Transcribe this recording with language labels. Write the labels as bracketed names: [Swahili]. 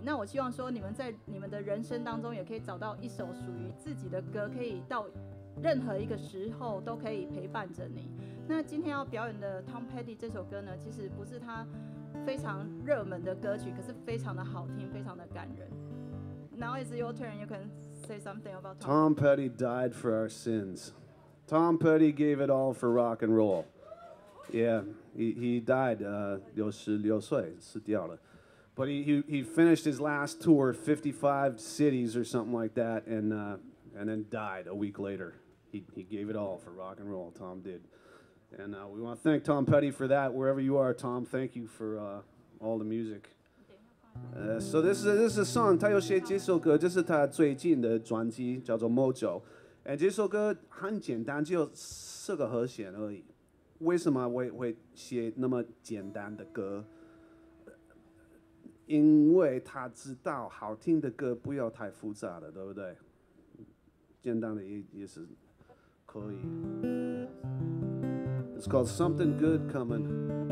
[Chinese] 那我希望说你们在你们的人生当中也可以找到一首属于自己的歌，可以到任何一个时候都可以陪伴着你。那今天要表演的 Tom Petty 这首歌呢，其实不是他非常热门的歌曲，可是非常的好听，非常的感人。 [English] Now it's your turn, you can say something about Tom Petty died for our sins. Tom Petty gave it all for rock and roll. Yeah. He died [Chinese] 66岁死掉了 [English] but he finished his last tour 55 cities or something like that and then died a week later. He gave it all for rock and roll. Tom did, and we want to thank Tom Petty for that. Wherever you are, Tom, thank you for all the music. So this is a song. [Chinese] 他有写这首歌，这是他最近的专辑，叫做 Mojo. And 这首歌很简单，只有四个和弦而已。为什么会写那么简单的歌？因为他知道好听的歌不要太复杂的，对不对？简单的也是可以。 [English] It's called Something Good Coming.